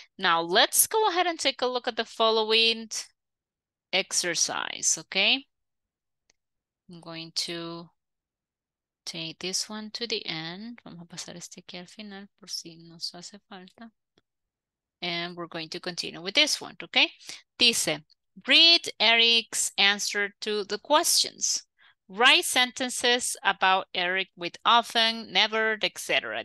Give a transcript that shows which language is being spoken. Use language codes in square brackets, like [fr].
[en] Now, let's go ahead and take a look at the following exercise, okay? I'm going to take this one to the end. [es] Vamos a pasar este aquí al final por si nos hace falta. [en] And we're going to continue with this one, okay? Dice, read Eric's answer to the questions. Write sentences about Eric with often, never, etc.